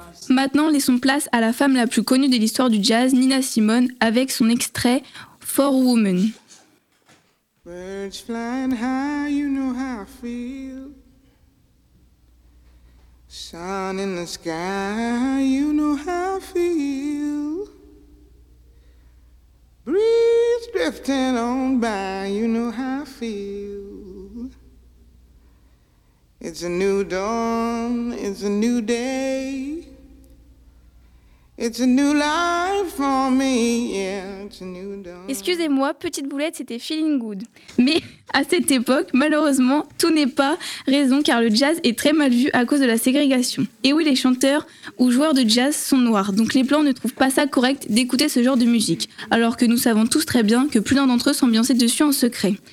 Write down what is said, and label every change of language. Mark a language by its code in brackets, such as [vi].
[fr] Maintenant, laissons place à la femme la plus connue de l'histoire du jazz, Nina Simone, avec son extrait « For Woman ». [en] Birds flying high, you know how I feel. Sun in the sky, you know how I feel. Breeze drifting on by, you know how I feel. It's a new dawn, it's a new day. It's a new life for me, yeah, it's a new dawn. [fr] Excusez-moi, petite boulette, c'était feeling good. Mais à cette époque, malheureusement, tout n'est pas raison car le jazz est très mal vu à cause de la ségrégation. Et oui, les chanteurs ou joueurs de jazz sont noirs, donc les blancs ne trouvent pas ça correct d'écouter ce genre de musique. Alors que nous savons tous très bien que plus d'un d'entre eux s'ambiançait dessus en secret.